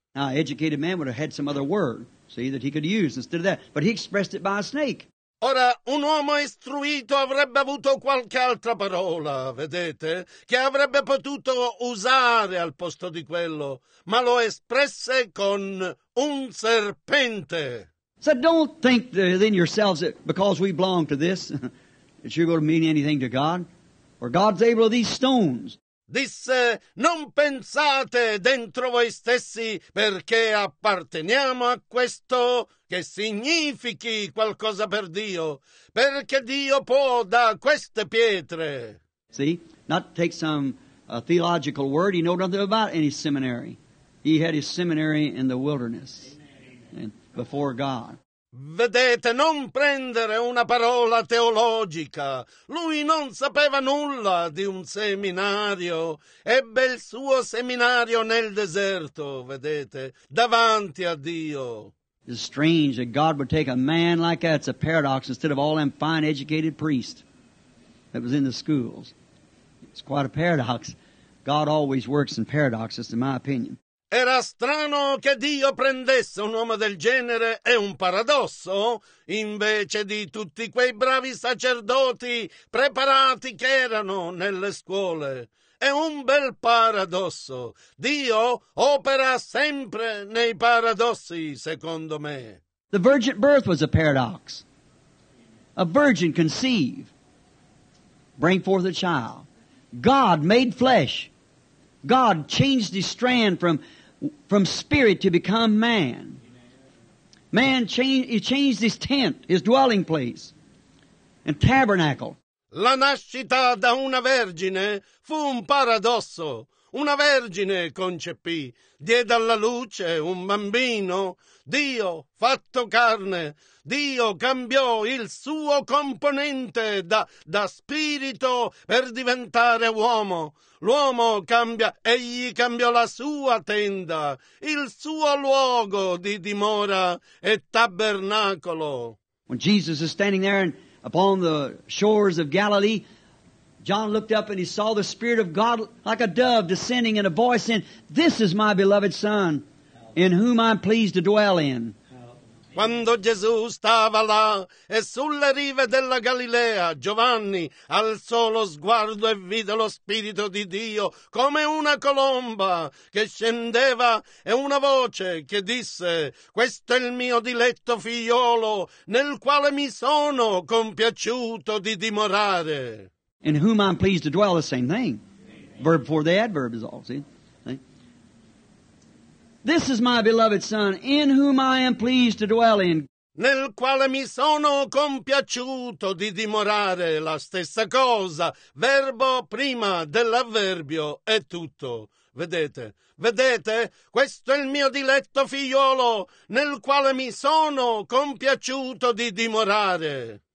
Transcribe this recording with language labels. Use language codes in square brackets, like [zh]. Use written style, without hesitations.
[en] Now, an educated man would have had some other word, see, that he could use instead of that, but he expressed it by a snake. [it] Ora, un uomo istruito avrebbe avuto qualche altra parola, vedete, che avrebbe potuto usare al posto di quello, ma lo espresse con un serpente. [en] So don't think within yourselves that because we belong to this, that you're going to mean anything to God, or God's able of these stones. [it] Disse, non pensate dentro voi stessi perché apparteniamo a questo che significhi qualcosa per Dio, perché Dio può da queste pietre. [en] See, not to take some theological word, he knew nothing about any seminary. He had his seminary in the wilderness and before God. [it] Vedete, non prendere una parola teologica. Lui non sapeva nulla di un seminario. Ebbe il suo seminario nel deserto, vedete, davanti a Dio. [en] It's strange that God would take a man like that. It's a paradox instead of all them fine educated priests that was in the schools. It's quite a paradox. God always works in paradoxes, in my opinion. [it] Era strano che Dio prendesse un uomo del genere, è un paradosso, invece di tutti quei bravi sacerdoti preparati che erano nelle scuole. È un bel paradosso. Dio opera sempre nei paradossi, secondo me. [en] The virgin birth was a paradox. A virgin conceive, bring forth a child. God made flesh. God changed the strand from spirit to become man. Man changed his tent, his dwelling place, and tabernacle. [it] La nascita da una vergine fu un paradosso. Una vergine concepì, diede alla luce un bambino. Dio fatto carne, Dio cambiò il suo componente da spirito per diventare uomo. L'uomo cambia, egli cambiò la sua tenda, il suo luogo di dimora e tabernacolo. [en] When Jesus is standing there and upon the shores of Galilee, John looked up and he saw the Spirit of God like a dove descending and a voice saying, "This is my beloved Son, in whom I'm pleased to dwell in." [it] Quando Gesù stava là e sulle rive della Galilea, Giovanni alzò lo sguardo e vide lo Spirito di Dio come una colomba che scendeva e una voce che disse, "Questo è il mio diletto figliolo nel quale mi sono compiaciuto di dimorare." [en] In whom I'm pleased to dwell, the same thing. Verb before the adverb is all, see? "This is my beloved Son, in whom I am pleased to dwell in." [it] Nel quale mi sono compiaciuto di dimorare, la stessa cosa. Verbo prima dell'avverbio è tutto. Vedete, vedete, questo è il mio diletto figliolo, nel quale mi sono compiaciuto di dimorare.